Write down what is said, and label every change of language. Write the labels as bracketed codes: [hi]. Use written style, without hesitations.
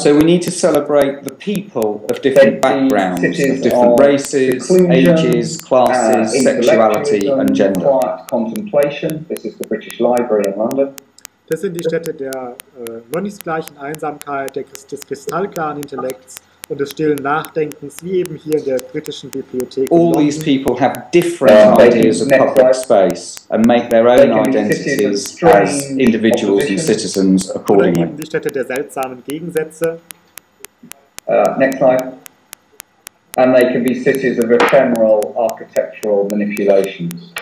[en] So we need to celebrate the people of different backgrounds, of different races, ages, classes, sexuality and gender. Quiet contemplation. This is the British Library in London. [de] Das sind die Städte der mönchsgleichen Einsamkeit, des kristallklaren Intellekts. Und des stillen Nachdenkens, wie eben hier in der britischen Bibliothek. [en] All these people have different ideas of public space and make their own identities as individuals and citizens accordingly. [de] Die Städte der seltsamen Gegensätze. [en] Next slide. And they can be cities of ephemeral architectural manipulations.